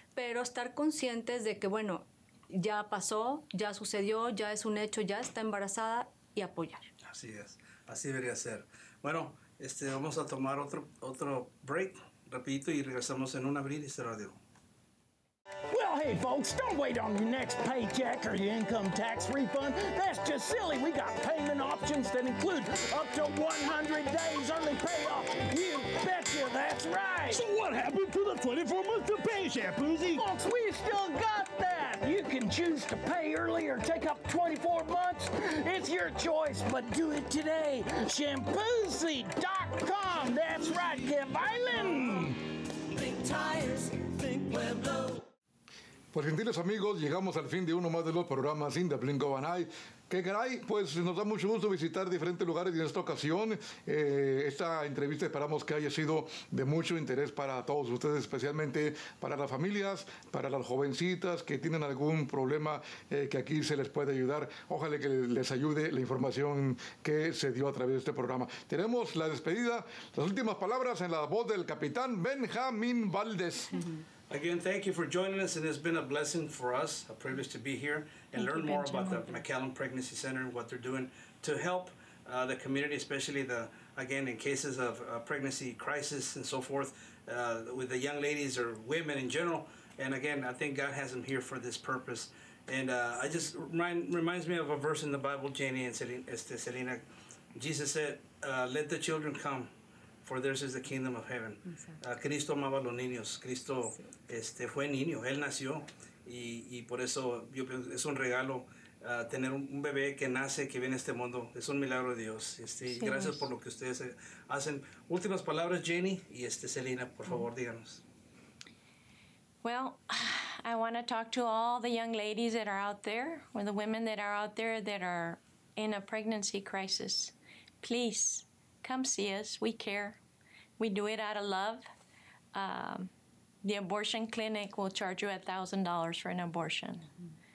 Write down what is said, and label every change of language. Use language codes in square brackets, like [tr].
[es] Pero estar conscientes de que, bueno, ya pasó, ya sucedió, ya es un hecho, ya está embarazada, y apoyar. Así es, así debería ser. Bueno, vamos a tomar otro break rapidito y regresamos en un abrir este radio. [en] Well, hey, folks, don't wait on your next paycheck or your income tax refund. That's just silly. We got payment options that include up to 100 days early payoff. You betcha, that's right. So what happened to the 24 months to pay, Shampoozy? Folks, we still got that. You can choose to pay early or take up 24 months. It's your choice, but do it today. Shampoozy.com. That's right, Kev Island. Think tires, think Pueblo. [es] Pues, gentiles amigos, llegamos al fin de uno más de los programas In the Blink of an Eye. ¿Qué caray? Pues nos da mucho gusto visitar diferentes lugares en esta ocasión. Esta entrevista esperamos que haya sido de mucho interés para todos ustedes, especialmente para las familias, para las jovencitas que tienen algún problema, que aquí se les puede ayudar. Ojalá que les ayude la información que se dio a través de este programa. Tenemos la despedida, las últimas palabras en la voz del capitán Benjamín Valdés. [en] Again, thank you for joining us, and it's been a blessing for us, a privilege to be here and learn more about the McAllen Pregnancy Center and what they're doing to help the community, especially the again, in cases of pregnancy crisis and so forth, with the young ladies or women in general. And again, I think God has them here for this purpose. And I just reminds me of a verse in the Bible, Janie and Selena. Jesus said, let the children come, for theirs is the kingdom of heaven. [es] Cristo amaba a los niños. Cristo fue niño. Él nació. Y por eso yo pienso, es un regalo tener un bebé que nace, que viene a este mundo. Es un milagro de Dios. Sí, gracias por lo que ustedes hacen. Últimas palabras, Janie y Selena, por favor, díganos. [en] Well, I want to talk to all the young ladies that are out there, or the women that are out there that are in a pregnancy crisis. Please come see us. We care. We do it out of love. The abortion clinic will charge you $1,000 for an abortion. Mm-hmm.